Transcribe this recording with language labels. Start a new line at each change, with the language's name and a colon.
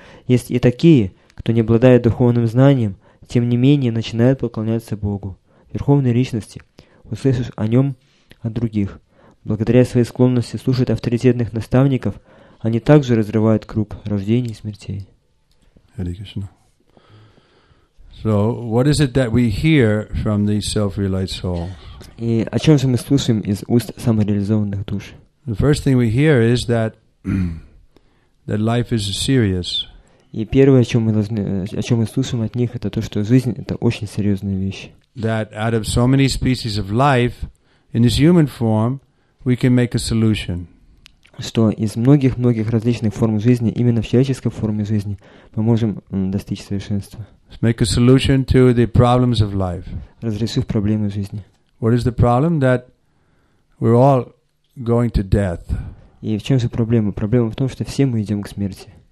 Russian: Есть и такие, кто не обладает духовным знанием, тем не менее начинает поклоняться Богу, Верховной Личности, услышав о Нем от других. Благодаря своей склонности слушать авторитетных наставников, они также разрывают круг рождения и смертей.
English: Hare Krishna. So, what is it that we hear from the self-realized soul?
Russian: И о чем же мы слушаем из уст самореализованных душ?
English: The first thing we hear is that life is serious.
Russian: И первое, о чем мы слушаем от них, это то, что жизнь это очень серьезная вещь.
English: That out of so many species of life in this human form, we can make a solution.
Russian: Что из многих различных форм жизни, именно в человеческой форме жизни, мы можем достичь совершенства.
English: Make a solution to the problems of life.
Russian: Разрешив проблемы жизни.
English: What is the problem? That We're all going to death.
Russian: И в чем же проблема? Проблема в том, что все мы идем к смерти.